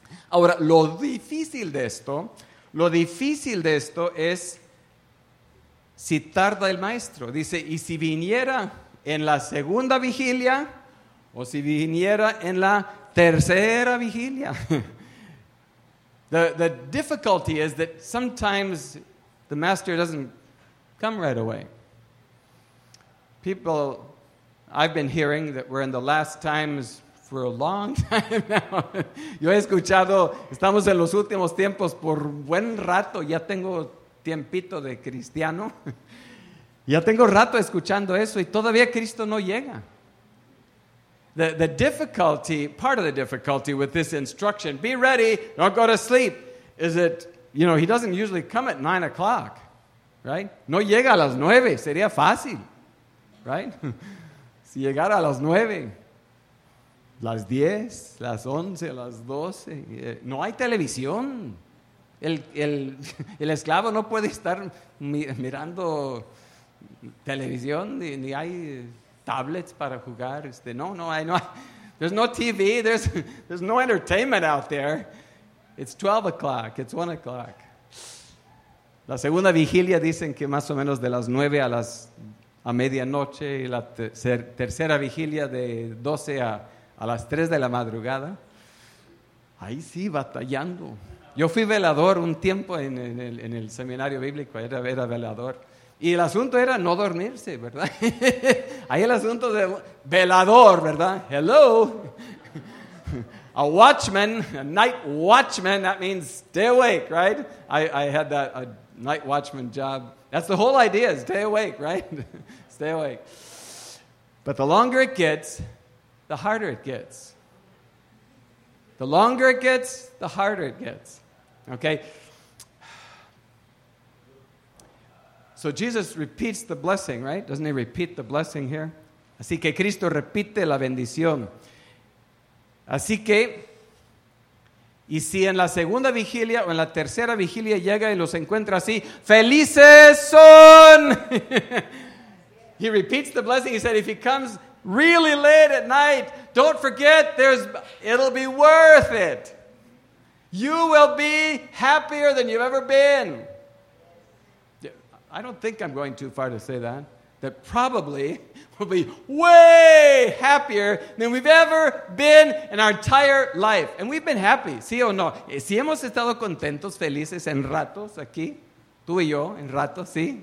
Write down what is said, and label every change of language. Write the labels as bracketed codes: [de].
[es] Ahora, lo difícil de esto es si tarda el Maestro. Dice, y si viniera en la segunda vigilia, o si viniera en la tercera vigilia. [en] The difficulty is that sometimes the master doesn't come right away. People, I've been hearing that we're in the last times for a long time now. [es] Yo he escuchado, estamos en los últimos tiempos por buen rato. Ya tengo tiempito de cristiano. Ya tengo rato escuchando eso y todavía Cristo no llega. [en] The difficulty, part of the difficulty with this instruction, be ready, don't go to sleep, is that, you know, he doesn't usually come at 9 o'clock, right? [es] No llega a las 9, sería fácil, [en] right? [es] Si llegara a las 9, las 10, las 11, las 12, no hay televisión. El esclavo no puede estar mirando televisión, ni hay tablets para jugar. [en] There's no TV, there's no entertainment out there. It's 12 o'clock, it's 1 o'clock. [es] La segunda vigilia dicen que más o menos de las 9 a las a medianoche, y la tercera vigilia de 12 a las 3 de la madrugada. Ahí sí, batallando. Yo fui velador un tiempo en el seminario bíblico, era velador. Y el asunto era no dormirse, ¿verdad? Ahí el asunto de velador, ¿verdad? Hello. [en] A watchman, a night watchman, that means stay awake, right? I had that a night watchman job. That's the whole idea, stay awake, right? Stay awake. But the longer it gets, the harder it gets. The longer it gets, the harder it gets. Okay? So Jesus repeats the blessing, right? Doesn't he repeat the blessing here? [es] Así que Cristo repite la bendición. Así que, y si en la segunda vigilia o en la tercera vigilia llega y los encuentra así, ¡felices son! [en] He repeats the blessing. He said, if he comes really late at night, don't forget, it'll be worth it. You will be happier than you've ever been. I don't think I'm going too far to say that. That probably will be way happier than we've ever been in our entire life. And we've been happy, [es] ¿sí o no? Si hemos estado contentos, felices en ratos aquí, tú y yo, en ratos, ¿sí?